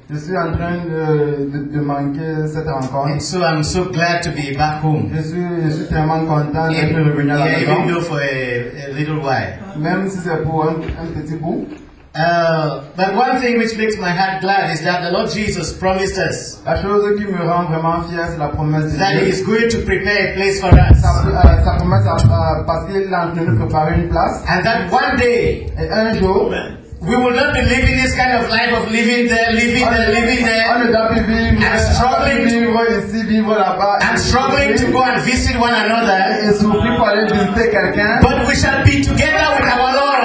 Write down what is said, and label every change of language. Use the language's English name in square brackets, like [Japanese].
[French] Je suis en train de manquer cette rencontre. [English] And so I'm so glad to be back home. [French] Je suis tellement content d'être revenu à la maison. [English] Yeah, even though for a little while. [French] Même si c'est pour un petit bout. [English] But one thing which makes my heart glad is that the Lord Jesus promised us [French] la chose qui me rend vraiment fier, c'est la promesse de [English] that [French] Dieu. [English] He is going to prepare a place for us. [French] Sa promesse, parce qu'il est en train de préparer une place. [English] And that one day, [French] et un jour, [English] we will not be living this kind of life of living there, living there, living there, [French] on ne doit plus vivre, [English] and struggling, [French] vivre ici, vivre là-bas, [English] and struggling to go and visit one another. [French] Et souffrir pour aller visiter quelqu'un. [English] But we shall be together with our Lord.